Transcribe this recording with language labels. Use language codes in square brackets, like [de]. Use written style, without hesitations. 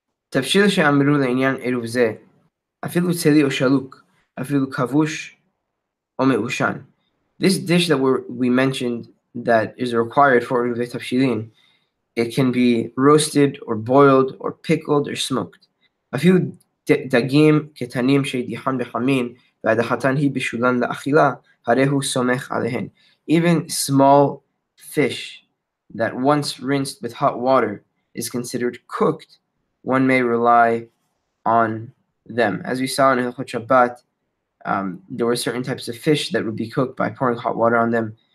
[he] תבשיל שאמרו לעניין עירוב זה, אפילו צלי או שלוק, אפילו כבוש או מאושן. [en] This dish that we mentioned that is required for עירובי תבשילין, it can be roasted or boiled or pickled or smoked. [he] אפילו דגים קטנים שידיחן בחמין, והדחתן היא בשולן לאכילה, הרי הוא סומך עליהן. [en] Even small fish that once rinsed with hot water is considered cooked, one may rely on them. As we saw in Hilchot Shabbat, there were certain types of fish that would be cooked by pouring hot water on them.